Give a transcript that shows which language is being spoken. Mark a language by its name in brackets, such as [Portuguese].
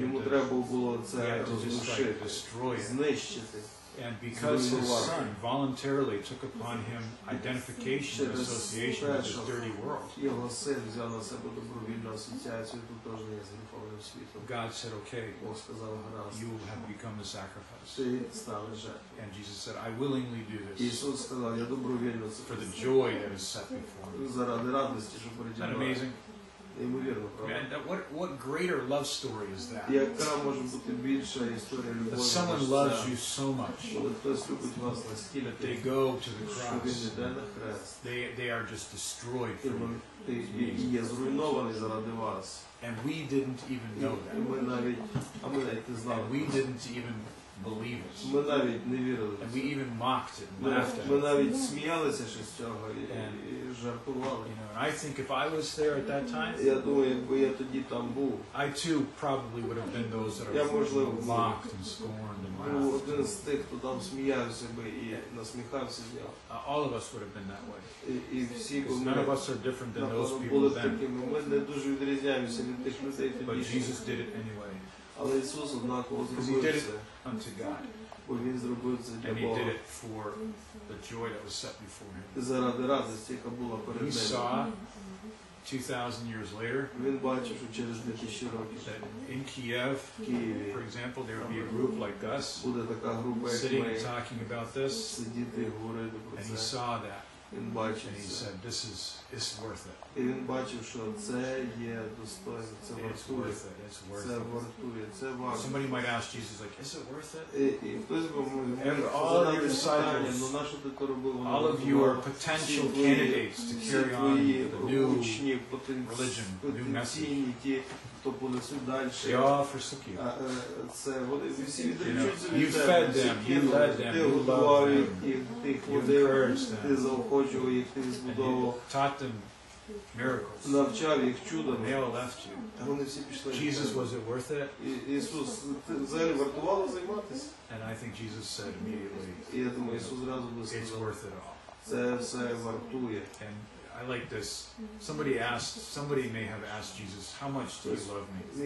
[Ukrainian] Йому треба було це розрушити, знищити. [English] And because his son voluntarily took upon him identification and association with this dirty world, [Ukrainian] його син взяв на себе добровільну асоціацію тут теж з гріховним світом. [English] God said, "Okay, [Ukrainian] Бог сказав, гаразд, [English] you have become a sacrifice." [Ukrainian] Ти став жертвою. [English] And Jesus said, "I willingly do this." [Ukrainian] Ісус сказав, я добровільно це. [English] For the joy that is set before me. [Ukrainian] Заради радості, що переді мною. [English] That amazing. [Ukrainian] Неймовірно, правда. [English] Man, what greater love story is that? [Ukrainian] Яка може бути більша історія любові? [English] That someone loves you so much. [Ukrainian] Хтось любить вас настільки, [English] that they go to the cross. They are just destroyed for you. [Ukrainian] І є зруйнований заради вас. [English] And we didn't even know that. [Ukrainian] Ми навіть, не знали. [English] We didn't even believe it. [Ukrainian] Ми навіть не вірили. [English] And we even mocked it. [Ukrainian] Ми навіть сміялися з цього і жартували. [English] You know, and I think if I was there at that time, [Ukrainian] я думаю, якби я тоді там був, [English] I too probably would have been those that are mocked and scorned and laughed. [Ukrainian] Я був один з тих, хто там сміявся би і насміхався з нього. [English] All of us would have been that way. [Ukrainian] І всі б ми. [English] None of us are different than those people then. [Ukrainian] Ми не дуже відрізняємося від тих людей тоді. [English] But Jesus did it anyway. [Ukrainian] Але Ісус однаково зробив це. [English] Unto God. [Ukrainian] Бо він зробив це для Бога. [English] And he did it for the joy that was set before him. [Ukrainian] Заради радості, яка була перед ним. [English] He saw 2000 years later. [Ukrainian] Він бачив, що через 2000 років. [English] In Kiev, for example, there would be a group like us. [Ukrainian] Буде така група, як ми. [English] Sitting and talking about this. [Ukrainian] Сидіти і говорити про це. [English] And he saw that. [Ukrainian] Він бачив, [English] and he said, "This is worth it." [Ukrainian] І він бачив, що це є достойно, це вартує. Це вартує, це варто. [English] Somebody might ask Jesus, like, "Is it worth it?" [Ukrainian] І хтось би мов, [English] and all of your disciples, [Ukrainian] ну нащо ти то робив? [English] All of you are potential candidates to carry on the new religion, new message. [Ukrainian] То понесуть далі. [English] They all forsook you. [Ukrainian] Це вони всі відречуть. [English] You fed them, you led them, you loved them, you encouraged them. [Ukrainian] Ти заохочував їх, ти збудовував. [English] And you taught them miracles. [Ukrainian] Навчав їх чудом. [English] They all left you. [Ukrainian] Вони всі пішли. [English] Jesus, was it worth it? [Ukrainian] Ісус, взагалі вартувало займатися? [English] And I think Jesus said immediately, [Ukrainian] я думаю, Ісус зразу би сказав, [English] it's worth it all. [Ukrainian] Це все вартує. [English] I like this. Somebody may have asked Jesus, "How much do you love me?"